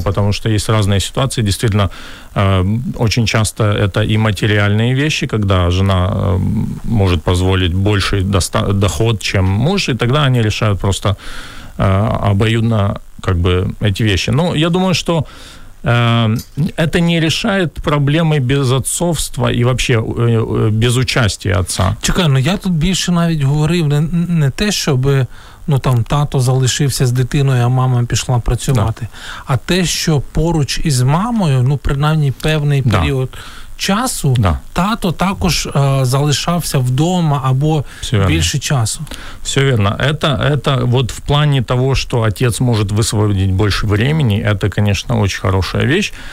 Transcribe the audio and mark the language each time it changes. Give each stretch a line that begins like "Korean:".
Russian: Потому что есть разные ситуации. Действительно, очень часто это и материальные вещи, когда жена может позволить больше доход, чем муж, и тогда они решают просто обоюдно как бы эти вещи. Но я думаю, что это не решает проблемы без отцовства и вообще без участия отца.
Ukrainian: Чекай, я тут
Russian: больше
Ukrainian: навіть говорив не те,
Russian: чтобы
Ukrainian: там тато залишився з дитиною, а мама пішла працювати, да. А те, що поруч із мамою, принаймні певний період, да, часу, да, тато також залишався вдома або більше часу.
Russian: Все верно. Это вот в плане того, что отец может высвободить больше времени, это, конечно, очень хорошая вещь.